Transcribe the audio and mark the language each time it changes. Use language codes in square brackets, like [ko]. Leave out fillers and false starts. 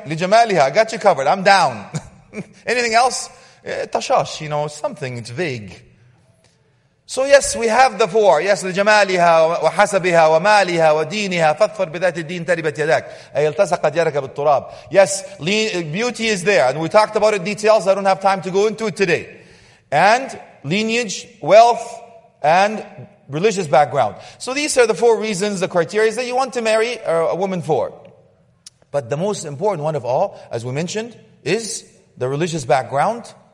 [en] Lijamaliha, I got you covered. I'm down. Anything else? Tashash, you know, something, it's vague. So yes, we have the four. [ar] Yes, لجمالها وحسبها ومالها ودينها فاظفر بذات الدين تربت يداك أي التصقت يدك بالتراب. [en] Yes, beauty is there. And we talked about it details. I don't have time to go into it today. And lineage, wealth, and religious background. So these are the four reasons, the criteria that you want to marry a woman for. But the most important one of all, as we mentioned, is the religious background.